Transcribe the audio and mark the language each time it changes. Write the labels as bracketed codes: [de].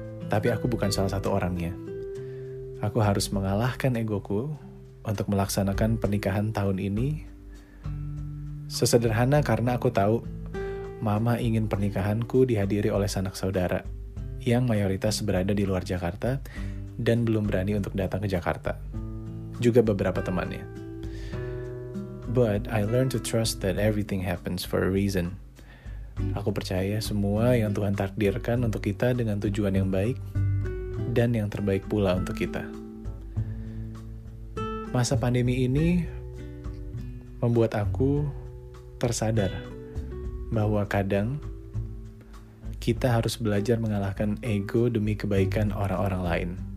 [id] Tapi aku bukan salah satu orangnya. Aku harus mengalahkan egoku untuk melaksanakan pernikahan tahun ini. Sesederhana karena aku tahu mama ingin pernikahanku dihadiri oleh sanak saudara yang mayoritas berada di luar Jakarta dan belum berani untuk datang ke Jakarta. Juga beberapa temannya. [en] But I learned to trust that everything happens for a reason. [id] Aku percaya semua yang Tuhan takdirkan untuk kita dengan tujuan yang baik, dan yang terbaik pula untuk kita. Masa pandemi ini membuat aku tersadar bahwa kadang kita harus belajar mengalahkan ego demi kebaikan orang-orang lain.